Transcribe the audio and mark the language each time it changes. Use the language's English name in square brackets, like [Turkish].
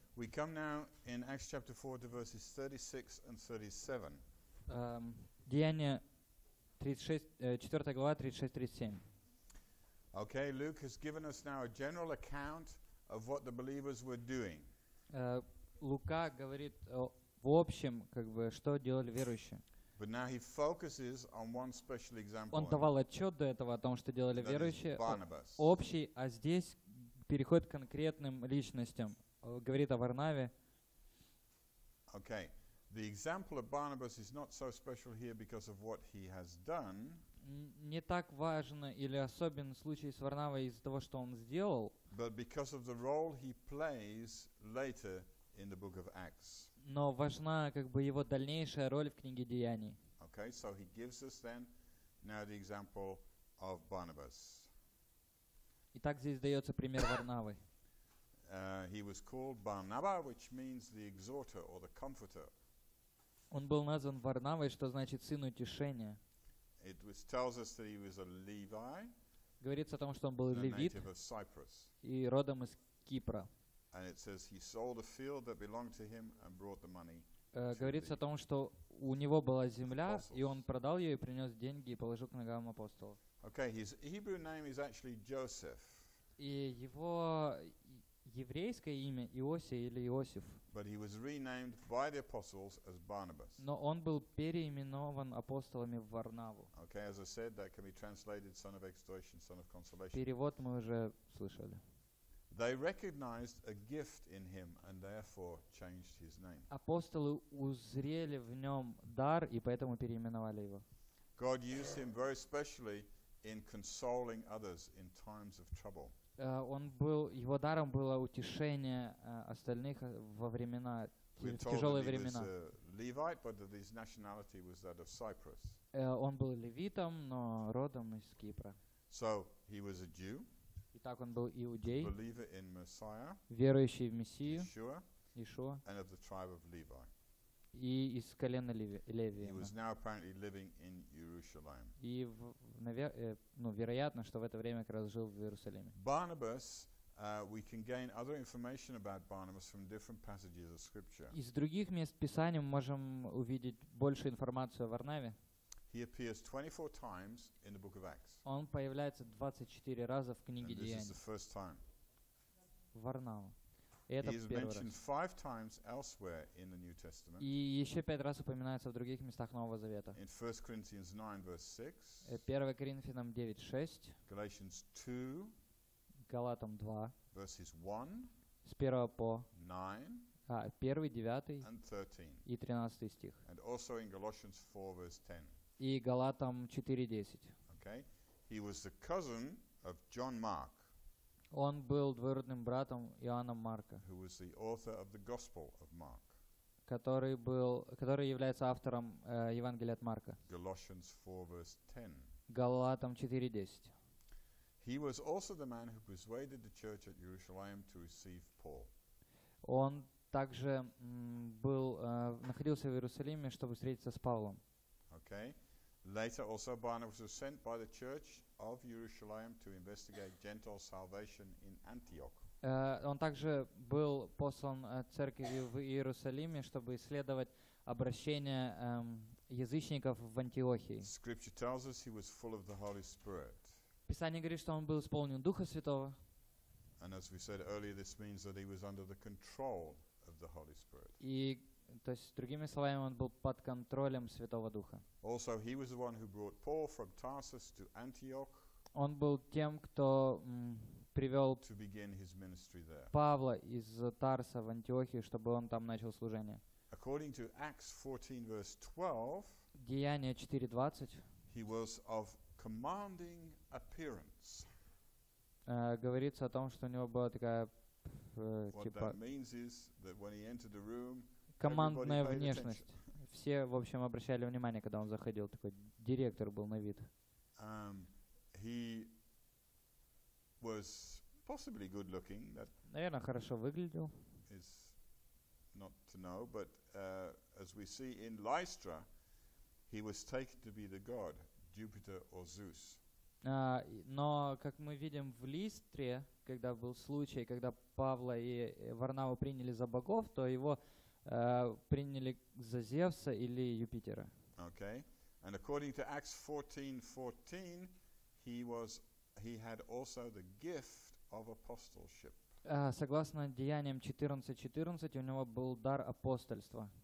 [English] We come now in Acts chapter 4 to verses 36 and 37. [Russian] Деяния 36, 4 глава, 36-37. [English] Okay, Luke has given us now a general account of what the believers were doing. [Russian] Лука говорит в общем, как бы, что делали верующие. [English] But now he focuses on one special example. [Russian] Он давал отчет до этого о том, что делали верующие. Общий, а здесь переходит к конкретным личностям. Говорит о Варнаве. [English] Okay. The example of Barnabas is not so special here because of what he has done. [Russian] Не так важно или особен случай с Варнавой из-за того, что он сделал. [English] But because of the role he plays later in the book of Acts. [Russian] Но важна как бы его дальнейшая роль в книге Деяний. [English] Okay, so he gives us then now the example of Barnabas. [Russian] Итак, здесь дается пример Варнавы. [English] He was called Barnaba, which means the exhorter or the comforter. [Russian] Он был назван Варнавой, что значит сын утешения. [English] It was, tells us that he was a Levi. [Russian] Говорится о том, что он был левит и родом из Кипра. [English] And it says he sold a field that belonged to him and brought the money. [Russian] Говорится о том, что у него была земля, и он продал ее и принес деньги и положил к ногам апостолов. [English] Okay, his Hebrew name is actually Joseph. [Russian] И его еврейское имя Иосия или Иосиф. [English] But he was renamed by the apostles as Barnabas. [Russian] Но он был переименован апостолами в Варнаву. [English] Okay, as I said, that can be translated son of exhortation, son of consolation. [Russian] Перевод мы уже слышали. [English] They recognized a gift in him and therefore changed his name. [Russian] Апостолы узрели в нем дар и поэтому переименовали его. [English] God used him very specially in consoling others in times of trouble. [Russian] Его даром было утешение остальных во времена, тяжелые времена. [English] He was a Levite, but that his nationality was that of Cyprus. [Russian] Он был левитом, но родом из Кипра. [English] So he was a Jew. [Russian] Итак, он был иудей, [English] believer in Messiah, [Russian] верующий в Мессию, [English] Yeshua, and of the tribe of Levi. [Russian] И из колена Леви. [English] He was now apparently living in Jerusalem. [Russian] И, вероятно, что в это время как раз жил в Иерусалиме. [English] Barnabas, we can gain other information about Barnabas from different passages of Scripture. [Russian] Из других мест Писания мы можем увидеть больше информации о Варнаве. [English] He appears 24 times in the book of Acts. [Russian] Он появляется 24 раза в книге Деяний. [English] And this is the first time. [Russian] Варнава. [English] He is mentioned five times elsewhere in the New Testament. [Russian] И еще пять раз упоминается в других местах Нового Завета. [English] In 1 Corinthians 9, verse 6. [Russian] 1 Коринфянам 9, 6. [English] Galatians 2. [Russian] Галатам 2. [English] Verses 1. [Russian] С 1 по [English] 9. [Russian] 1, 9. [English] And 13. [Russian] И 13 стих. [English] And also in Galatians 4, verse 10. [Russian] И Галатам 4, 10. [English] Okay. He was the cousin of John Mark. [Russian] Он был двоюродным братом Иоанна Марка, [English] who was the author of the Gospel of Mark, [Russian] который является автором Евангелия от Марка. [English] Galatians 4, verse 10. [Russian] Галатам 4, 10. [English] He was also the man who persuaded the church at Jerusalem to receive Paul. [Russian] Он также был находился в Иерусалиме, чтобы встретиться с Павлом. [English] Okay. Later also Barnabas was sent by the church of Jerusalem to investigate Gentile salvation in Antioch. [Russian] Он также был послан церковью в Иерусалиме, чтобы исследовать обращение язычников в Антиохии. [English] Scripture tells us he was full of the Holy Spirit. [Russian] Писание говорит, что он был исполнен Духа Святого. [English] And as we said earlier, this means that he was under the control of the Holy Spirit. [Russian] И то есть, другими словами, он был под контролем Святого Духа. [English] Also, he was the one who brought Paul from Tarsus to Antioch. [Russian] Он был тем, кто привел [English] to begin his ministry there. [Russian] Павла из Тарса в Антиохию, чтобы он там начал служение. [English] According to Acts 14, verse 12, [Russian] Деяния 4:20, [English] he was of commanding appearance. [Russian] Говорится о том, что у него была такая типа. [English] What that means is that when he entered the room. [Russian] Командная внешность. Все, в общем, обращали внимание, когда он заходил. Такой директор был на вид. [English] He was possibly good looking. That [Russian] наверное, хорошо выглядел. [English] Is not to know, but as we see in Lystra, he was taken to be the god, Jupiter or Zeus. [Russian] Но, как мы видим в Листре, когда был случай, когда Павла и Варнаву приняли за богов, то его приняли за Зевса или Юпитера. [English] Okay. And according to Acts 14:14, he had also the gift of apostleship. [Russian] Согласно Деяниям 14:14, у него был дар апостольства.